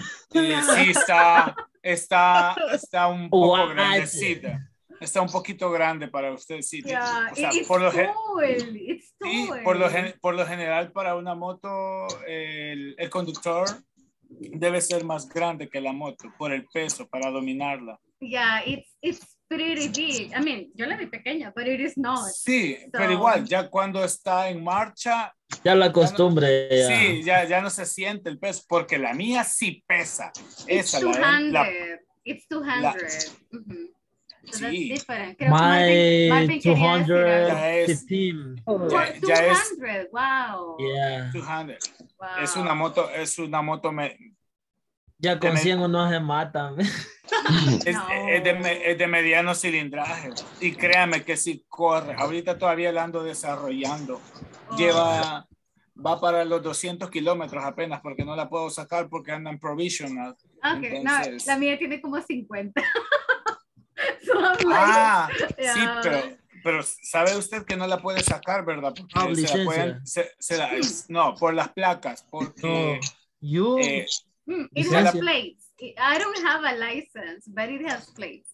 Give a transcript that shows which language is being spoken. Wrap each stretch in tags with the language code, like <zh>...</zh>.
<es>Sí, está un poco grandecita. Está un poquito grande para usted, sí.</es> <en>Yeah,</en> <es>o sea,</es> <en>it's tall.</en> <es>Sí, por lo general, para una moto, el conductor debe ser más grande que la moto, por el peso, para dominarla.</es> <en>Yeah, it's pretty big. I mean,</en> <es>yo la vi pequeña,</es> <en>but it is not.</en> <es>Sí, so, pero igual, ya cuando está en marcha, Ya la costumbre. Ya no, sí, ya, ya no se siente el peso, porque la mía sí pesa.</es> <en>It's</en> <es>esa, 200. La, la, it's 200. La, mm-hmm. So sí.</es> <en>That's different.</en> <es>Creo Marvin 200. Ya es, 15. Ya, ya 200. Es, wow.</es> <en>Yeah.</en> <es>200. Wow. Es una moto, es una moto. Me, ya con 100 no se mata. Es, es de mediano cilindraje. Y créame que sí corre. Ahorita todavía la ando desarrollando. Lleva, va para los 200 kilómetros apenas, porque no la puedo sacar porque anda en provisional. Ok, entonces... no, la mía tiene como 50.</es> <en>So like, ah, yeah.</en> <es>Sí, pero sabe usted que no la puede sacar, ¿verdad? Porque oh, se la pueden, se la, no, por las placas, porque...</es> <en>Oh, you... it has plates. I don't have a license, but it has plates.</en>